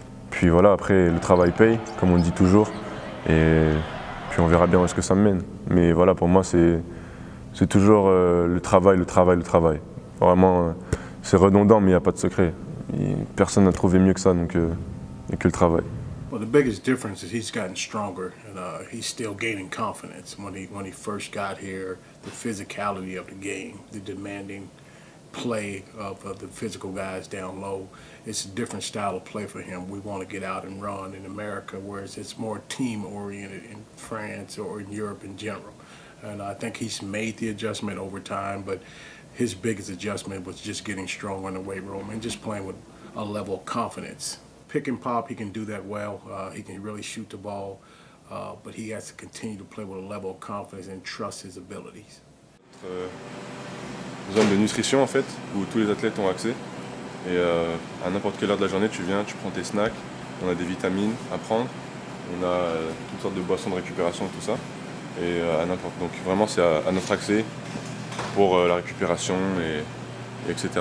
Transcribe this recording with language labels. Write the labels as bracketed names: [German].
[French] Puis voilà, après le travail paye, comme on dit toujours, et puis on verra bien où est-ce que ça me mène. Mais voilà, pour moi c'est toujours le travail. Vraiment, c'est redondant, mais il n'y a pas de secret. Personne n'a trouvé mieux que ça, donc et que le travail. [English] Well, the biggest difference is he's gotten stronger and he's still gaining confidence. When he first got here, the physicality of the game, the demanding play of the physical guys down low, it's a different style of play for him. We want to get out and run in America, whereas it's more team oriented in France or in Europe in general. And I think he's made the adjustment over time, but his biggest adjustment was just getting stronger in the weight room and just playing with a level of confidence. Pick and pop, he can do that well. He can really shoot the ball, but he has to continue to play with a level of confidence and trust his abilities. [French] Zone de nutrition, en fait, où tous les athlètes ont accès. Et à n'importe quelle heure de la journée, tu viens, tu prends tes snacks. On a des vitamines à prendre. On a toutes sortes de boissons de récupération, tout ça. Et à n'importe. Donc vraiment, c'est à notre accès. Pour la récupération et etc.